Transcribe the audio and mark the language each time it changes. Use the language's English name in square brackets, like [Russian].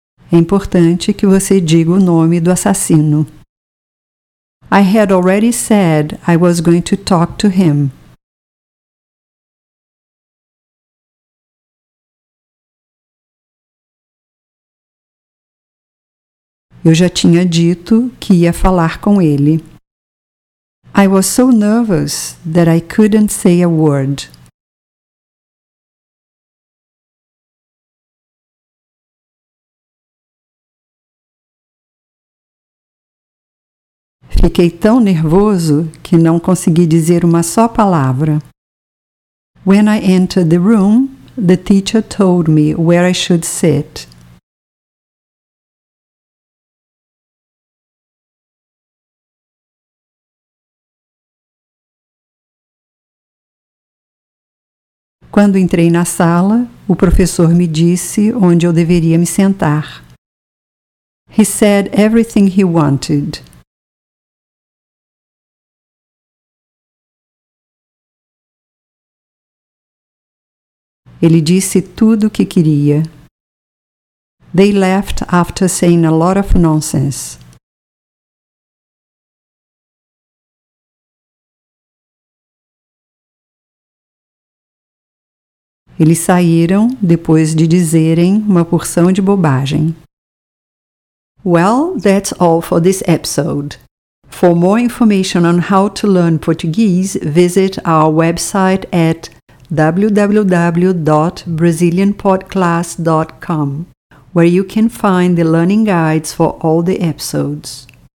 [Portuguese] É importante que você diga o nome do assassino. [English] I had already said I was going to talk to him. [Portuguese] Eu já tinha dito que ia falar com ele. [English] I was so nervous that I couldn't say a word. [Portuguese] Fiquei tão nervoso que não consegui dizer uma só palavra. [English] When I entered the room, the teacher told me where I should sit. [Portuguese] Quando entrei na sala, o professor me disse onde eu deveria me sentar. [English] He said everything he wanted. [Portuguese] Ele disse tudo o que queria. [English] They left after saying a lot of nonsense. [Portuguese] Eles saíram depois de dizerem uma porção de bobagem. [English] Well, that's all for this episode. For more information on how to learn Portuguese, visit our website at www.brazilianpodclass.com, where you can find the learning guides for all the episodes.